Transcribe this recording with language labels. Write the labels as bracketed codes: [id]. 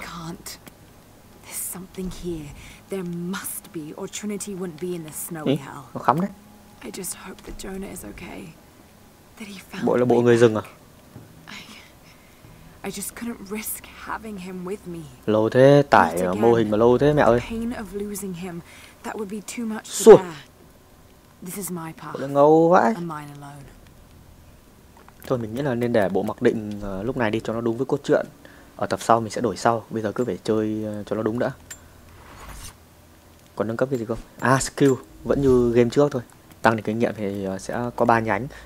[en] I can't. There's something here. There must be, or Trinity wouldn't be in the snowy hell. [vi] Nó khắm đấy. [en] I just hope that Jonah is okay. That he found. [vi] Bộ là bộ người rừng à? [en] I just couldn't risk having him with me. [vi] Lâu thế, tải mô hình mà lâu thế mẹ ơi. [en] The pain of losing him, that would be too much to bear. This is my path. [vi] Bộ này ngầu vãi. [en] And mine alone. [vi] Thôi mình nghĩ là nên để bộ mặc định lúc này đi cho nó đúng với cốt truyện. Ở tập sau mình sẽ đổi sau. Bây giờ cứ phải chơi cho nó đúng đã. Còn nâng cấp cái gì không? À, skill. Vẫn như game trước thôi. Tăng được kinh nghiệm thì sẽ có 3 nhánh.